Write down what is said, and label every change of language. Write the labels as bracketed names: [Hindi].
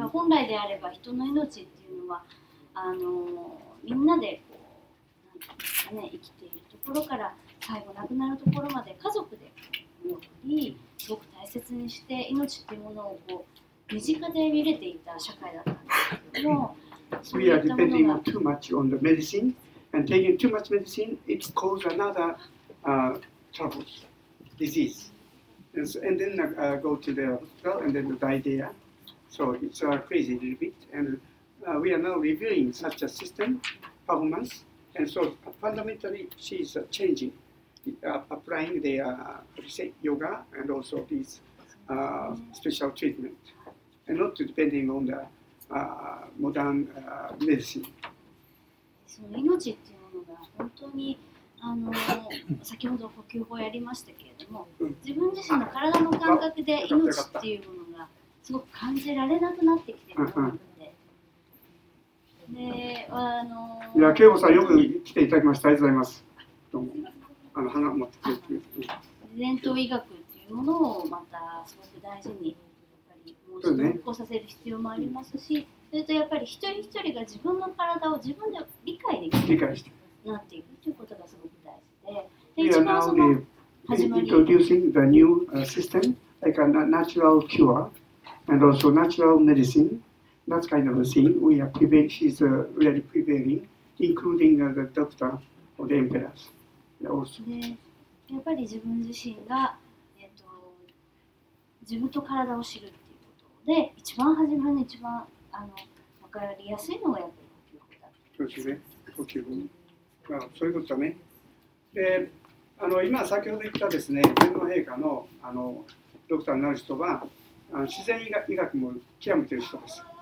[Japanese] で本来であれば人の命っていうのはみんなでこうなんかね、生きているところから最後亡くなるところまで家族で思ったりすごく大切にして、命っていうものをこう身近で見れていた社会だったんですけども、 [English] We are depending too much on the medicine and taking too much medicine it causes another troubles. Disease, and then go to the hospital, and then die there. So it's crazy a little bit. And we are now reviewing such a system performance. And so fundamentally, she is changing, applying the yoga and also these special treatment, and not depending on the modern medicine. [Japanese] その命っていうものが本当に先ほど呼吸法やりましたけれども、自分自身の体の感覚で命っていうものがすごく感じられなくなってきてると思うので、で、いや、慶吾さんよく来ていただきました、ありがとうございます。どうも、花を持ってくれて、伝統医学っていうものをまたすごく大事にやっぱりもう一度復興させる必要もありますし、それとやっぱり一人一人が自分の体を自分で理解できる、理解してなっていくということがすごく大事で、で一番その始まり、 [English] introducing the new system like a natural cure and also natural medicine, that kind of a thing. We are prevailing, she's really prevailing, including the doctor of the emperors. Also, [Japanese] でやっぱり自分自身が自分と体を知るっていうことで、一番始まりに一番分かりやすいのがやっぱり呼吸法だと。そうですね、呼吸法。まあ、そういうことだね。で今先ほど言ったですね、天皇陛下 の, ドクターになる人は自然医学も極めてる人です。